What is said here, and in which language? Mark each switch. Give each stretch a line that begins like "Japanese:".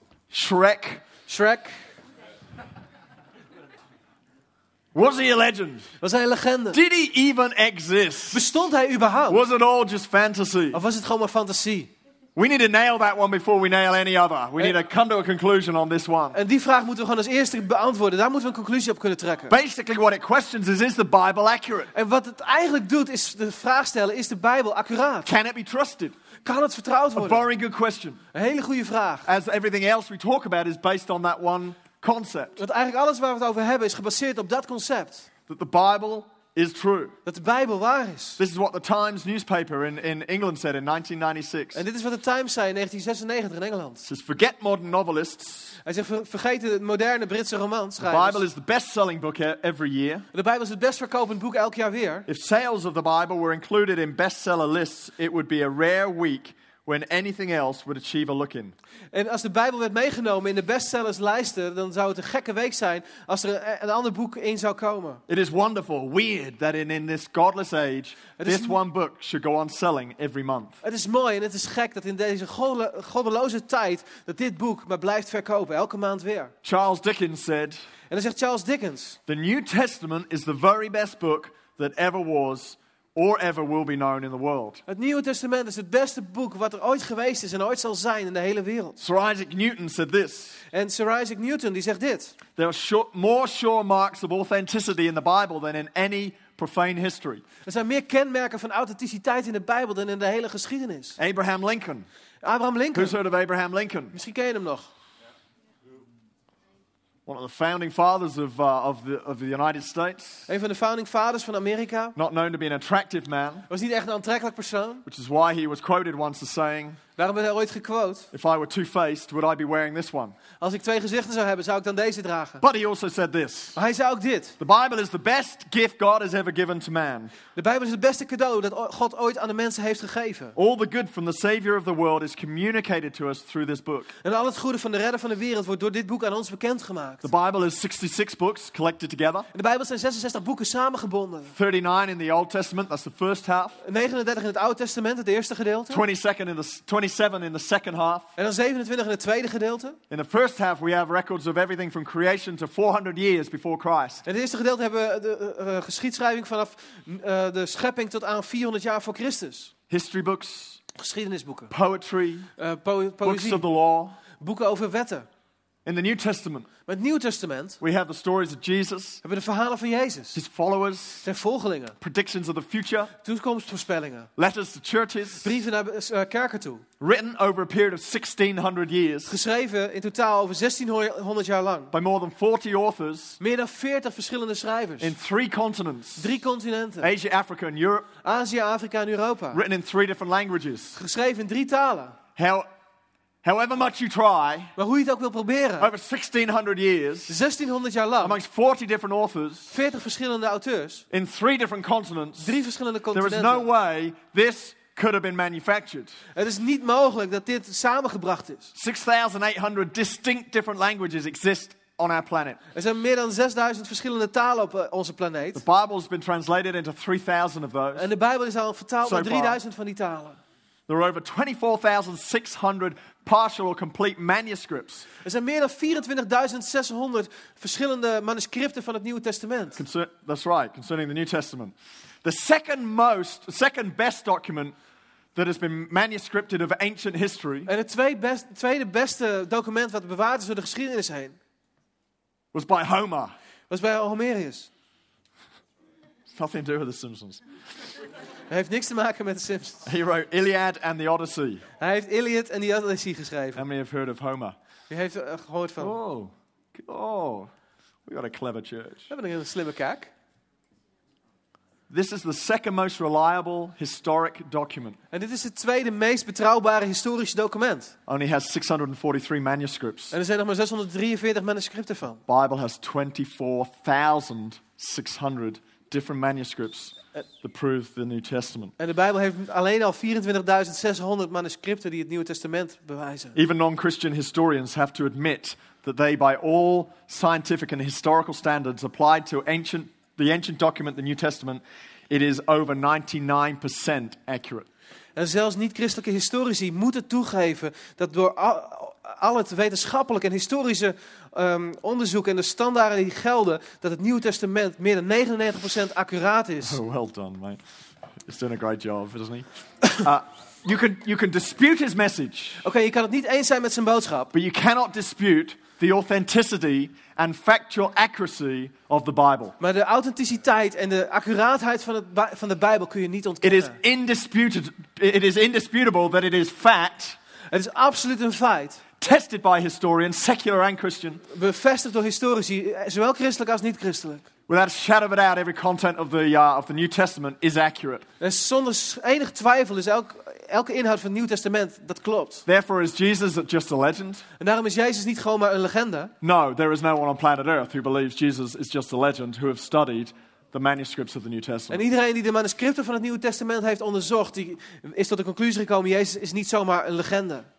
English: Shrek. Shrek. Was he a legend?
Dutch: Was hij een legende?
English: Did he even exist?
Dutch: Bestond hij überhaupt?
English: Was it all just fantasy?
Dutch: Of was het gewoon maar fantasie?
English: We need to nail that one before we nail any other. We need to come to a conclusion on this one.
Dutch: En die vraag moeten we gewoon als eerste beantwoorden. Daar moeten we een conclusie op kunnen trekken.
English: Basically what it questions is the Bible accurate?
Dutch: En wat het eigenlijk doet is de vraag stellen, is de Bijbel accuraat?
English: Can it be trusted?
Dutch: Kan het vertrouwd worden?
English: A very good question.
Dutch: Een hele goede vraag.
English: As everything else we talk about is based on that one concept.
Dutch: Want eigenlijk alles waar we het over hebben is gebaseerd op dat concept.
English: That the Bible is true.
Dutch: Dat de Bijbel waar is.
English: This is what the Times newspaper in England said in 1996.
Dutch: En dit is wat de Times zei in 1996 in Engeland.
English: It says, forget modern novelists.
Dutch: Hij zegt, vergeet de moderne Britse romanschrijvers.
English: The Bible is the best-selling book every year.
Dutch: De Bijbel is het best verkopend boek elk jaar weer.
English: If sales of the Bible were included in bestseller lists, it would be a rare week when anything else would achieve a look-in.
Dutch: En als de Bijbel werd meegenomen in de bestsellerslijsten, dan zou het een gekke week zijn als er een ander boek in zou komen.
English: It is wonderful, weird that in this godless age, this one book should go on selling every month.
Dutch: Het is mooi en het is gek dat in deze goddeloze tijd dat dit boek maar blijft verkopen elke maand weer.
English: Charles Dickens said.
Dutch: En dan zegt Charles Dickens.
English: The New Testament is the very best book that ever was. Or ever will be known in the world.
Dutch: Het Nieuwe Testament is het beste boek wat er ooit geweest is en ooit zal zijn in de hele wereld.
English: Sir Isaac Newton said this.
Dutch: En Sir Isaac Newton die zegt dit.
English: There are more sure marks of authenticity in the Bible than in any profane history.
Dutch: Er zijn meer kenmerken van authenticiteit in de Bijbel dan in de hele geschiedenis.
English: Abraham Lincoln.
Dutch: Abraham Lincoln.
English: Who's heard of Abraham Lincoln?
Dutch: Misschien ken je hem nog.
English: One of the founding fathers of the United States.
Dutch: Een van de founding fathers van Amerika.
English: Not known to be an attractive man.
Dutch: Was niet echt een aantrekkelijk persoon.
English: Which is why he was quoted once as saying.
Dutch: Waarom werd hij ooit gequote?
English: If I were two-faced, would I be wearing this one?
Dutch: Als ik twee gezichten zou hebben, zou ik dan deze dragen.
English: But he also said this.
Dutch: Maar hij zei ook dit.
English: The Bible is the best gift God has ever given to man.
Dutch: De Bijbel is het beste cadeau dat God ooit aan de mensen heeft gegeven.
English: All the good from the Savior of the world is communicated to us through this book.
Dutch: En al het goede van de Redder van de wereld wordt door dit boek aan ons bekendgemaakt.
English: The Bible is 66 books collected together.
Dutch: De Bijbel zijn 66 boeken samengebonden.
English: 39 in the Old Testament, that's the first half.
Dutch: 39 in het Oude Testament, het eerste gedeelte.
English: 27 in the second half.
Dutch: En dan 27 in het tweede gedeelte.
English: In the first half we have records of everything from creation to 400 years before Christ.
Dutch: In het eerste gedeelte hebben we de geschiedschrijving vanaf de schepping tot aan 400 jaar voor Christus.
English: History books.
Dutch: Geschiedenisboeken.
English: Poetry.
Dutch: Poëzie.
English: Books of the law.
Dutch: Boeken over wetten.
English: In the New Testament.
Dutch: In het Nieuwe Testament.
English: We have the stories of Jesus.
Dutch: Hebben de verhalen van Jezus.
English: His followers.
Dutch: Zijn volgelingen.
English: Predictions of the future.
Dutch: Toekomstvoorspellingen.
English: Letters to churches.
Dutch: Brieven naar kerken toe.
English: Written over a period of 1600 years.
Dutch: Geschreven in totaal over 1600 jaar lang.
English: By more than 40 authors.
Dutch: Meer dan 40 verschillende schrijvers.
English: In 3 continents.
Dutch: 3 continenten.
English: Asia, Africa and Europe.
Dutch: Azië, Afrika en Europa.
English: Written in 3 different languages.
Dutch: Geschreven in 3 talen.
English: However much you try,
Dutch: maar hoe je het ook wil proberen,
English: over 1600 years,
Dutch: 1600 jaar lang,
English: amongst 40 different authors,
Dutch: 40 verschillende auteurs,
English: in 3 different continents,
Dutch: 3 verschillende continenten,
English: there is no way this could have been manufactured.
Dutch: Het is niet mogelijk dat dit samengebracht is.
English: 6,800 distinct different languages exist on our planet.
Dutch: Er zijn meer dan 6000 verschillende talen op onze planeet.
English: The Bible has been translated into 3,000 of those.
Dutch: En de Bijbel is al vertaald naar 3000 van die talen.
English: There are over 24,600 partial or complete manuscripts.
Dutch: Er zijn meer dan 24,600 verschillende manuscripten van het Nieuwe Testament.
English: Concerning the New Testament. The second best document that has been manuscripted of ancient history.
Dutch: En het tweede beste document wat bewaard is door de geschiedenis heen.
English: Was by Homer.
Dutch: Was bij Homerius.
English: Nothing to do with the Simpsons.
Dutch: Hij heeft niks te maken met de Simpsons.
English: He wrote Iliad and the Odyssey.
Dutch: Hij heeft Iliad en de Odyssey geschreven.
English: How many have heard of Homer?
Dutch: Wie heeft gehoord van?
English: Oh, we got a clever church.
Dutch: We hebben een slimme kerk.
English: This is the second most reliable historic document.
Dutch: En dit is het tweede meest betrouwbare historische document.
English: Only has 643 manuscripts.
Dutch: En er zijn nog maar 643 manuscripten van.
English: Bible has 24,600 different manuscripts that prove the New Testament.
Dutch: En de Bijbel heeft alleen al 24,600 manuscripten die het Nieuwe Testament bewijzen.
English: Even non-Christian historians have to admit that they, by all scientific and historical standards applied to the ancient document, the New Testament, it is over 99% accurate.
Dutch: En zelfs niet-christelijke historici moeten toegeven dat door al het wetenschappelijke en historische onderzoek en de standaarden die gelden, dat het Nieuwe Testament meer dan 99% accuraat is.
English: Well done, mate. He's done a great job, isn't he? you can dispute his message.
Dutch: Okay, je kan het niet eens zijn met zijn boodschap.
English: But you cannot dispute the authenticity and factual accuracy of the Bible.
Dutch: Maar de authenticiteit en de accuraatheid van de Bijbel kun je niet ontkennen.
English: It is indisputable that it is fact.
Dutch: Het is absoluut een feit.
English: Tested by historians, secular and Christian.
Dutch: Bevestigd door historici, zowel christelijk als niet christelijk.
English: Without a shadow of a doubt, every content of the New Testament is accurate.
Dutch: En zonder enig twijfel is elke inhoud van het Nieuw Testament dat klopt.
English: Therefore is Jesus just a legend?
Dutch: En daarom is Jezus niet gewoon maar een legende.
English: No, there is no one on planet Earth who believes Jesus is just a legend who have studied the manuscripts of the New Testament.
Dutch: En iedereen die de manuscripten van het Nieuwe Testament heeft onderzocht, die is tot de conclusie gekomen: Jezus is niet zomaar een legende.